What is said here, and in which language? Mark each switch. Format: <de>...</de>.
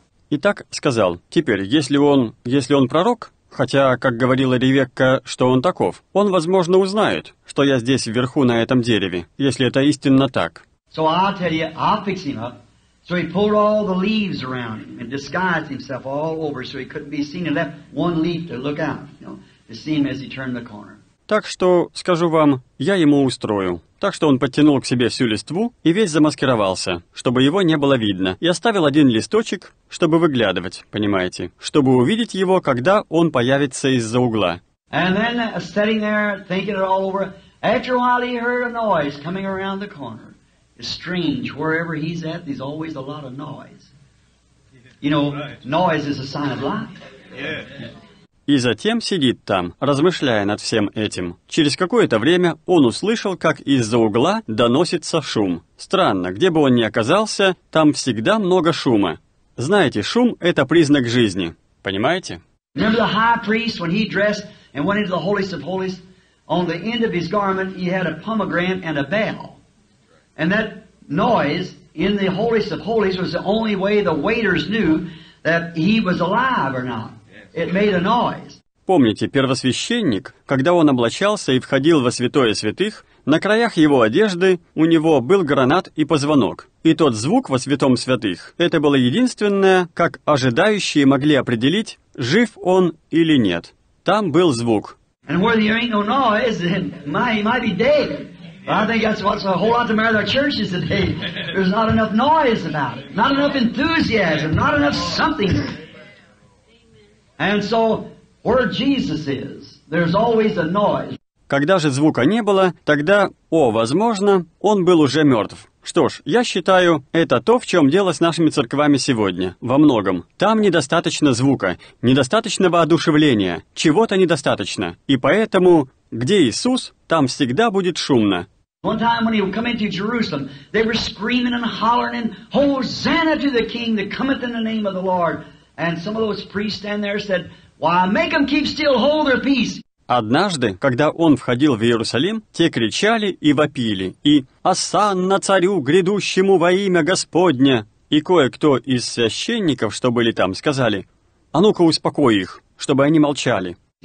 <ru>Итак, сказал, теперь, если он пророк, хотя, как говорила Ревекка, что он таков, он, возможно, узнает, что я здесь вверху на этом дереве, если это истинно так.</ru> <en>So I'll tell you, I'll fix him up. So he pulled all the leaves around him and disguised himself all over so he couldn't be seen and left one leaf to look out, you know, to see him as he turned the corner.</en> <ru>Так что, скажу вам, я ему устрою. Так что он подтянул к себе всю листву и весь замаскировался, чтобы его не было видно, и оставил один листочек, чтобы выглядывать, понимаете, чтобы увидеть его, когда он появится из-за угла.</ru> <en>And then, sitting there, thinking it all over, after a while he heard a noise coming around the corner. It's strange, wherever he's at, there's always a lot of noise. You know, noise is a sign of life.</en> <ru>И затем сидит там, размышляя над всем этим. Через какое-то время он услышал, как из-за угла доносится шум. Странно, где бы он ни оказался, там всегда много шума. Знаете, шум — это признак жизни. Понимаете?</ru> <en>Remember the high priest, when he dressed and went into the holiest of holies, on the end of his garment he had a pomegranate and a bell. And that noise in the holiest of holies was the only way the waiters knew that he was alive or not. It made a noise.</en> <ru>Помните, первосвященник, когда он облачался и входил во святое святых, на краях его одежды у него был гранат и позвонок. И тот звук во святом святых, это было единственное, как ожидающие могли определить, жив он или нет. Там был звук.</ru> <en>And where there ain't no noise, then he might be dead. But I think that's what's a whole lot the matter of our churches today. There's not enough noise about it. Not enough enthusiasm, not enough something. And so, where Jesus is, there's always a noise.</en> <ru>Когда же звука не было, тогда, о, возможно, он был уже мертв. Что ж, я считаю, это то, в чем дело с нашими церквами сегодня, во многом. Там недостаточно звука, недостаточно воодушевления, чего-то недостаточно. И поэтому, где Иисус, там всегда будет шумно.</ru> <en>One time when he would come into Jerusalem, they were screaming and hollering, and Hosanna to the King that cometh in the name of the Lord. And some of those priests stand there said, make them keep still, hold their peace.</en> <ru>Однажды, когда он входил в Иерусалим, те кричали и вопили, и «Осанна царю, грядущему во имя Господне!» И кое-кто из священников, что были там, сказали, «А ну-ка успокой их, чтобы они молчали».</ru>